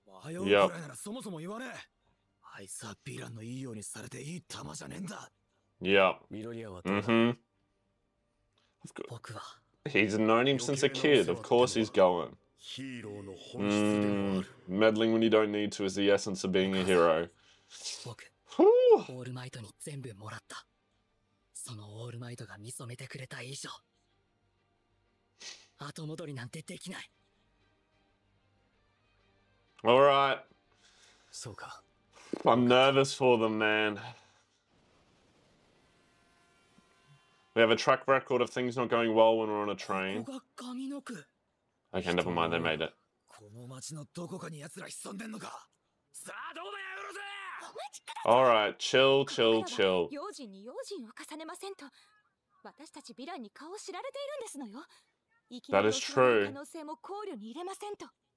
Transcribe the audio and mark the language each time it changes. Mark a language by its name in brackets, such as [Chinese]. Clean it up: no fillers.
[Japanese] 早うくらいならそもそも言わねえ。あいつはヴィランのいいようにされていい玉じゃねえんだ。 [English] Yeah. [Japanese] ミロリアはどうだ。僕は。 [English] He's known him since a kid. Of course he's going. [Japanese] ヒーローの本質でもある。 [English] Meddling when you don't need to is the essence of being a hero. [Japanese] 僕。オールマイトに全部もらった。そのオールマイトが見染めてくれた以上、後戻りなんてできない。 [English] All right. [Japanese] そうか。 [English] I'm nervous for them, man. We have a track record of things not going well when we're on a train. Okay, never mind, they made it. [Japanese] この町のどこかに奴ら潜んでんのか。さあどうだよ、うるせえ。 [English] All right, chill. [Japanese] 用心に用心を重ねませんと、私たちヴィランに顔を知られているんですのよ。 [English] That is true. [Japanese] 可能性も考慮に入れませんと。